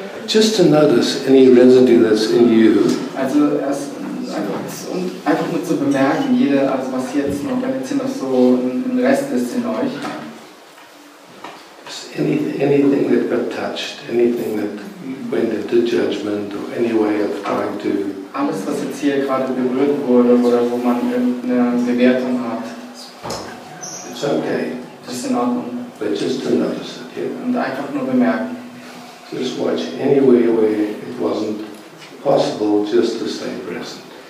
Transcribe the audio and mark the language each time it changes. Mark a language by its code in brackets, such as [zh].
[en] Just to notice any residue that's in you. [de] Also einfach nur zu bemerken, jede, also was jetzt noch in deinem Zimmer so ein Rest ist in euch. [en] Anything that got touched, anything that went into judgment or any way of trying to. [de] Alles, was jetzt hier gerade berührt wurde oder wo man eine Bewertung hat. [en] It's okay. [de] Das ist in Ordnung. [en] But just to notice it, yeah. [de] Und einfach nur bemerken. [en] Just watch any way where it wasn't possible just to stay present.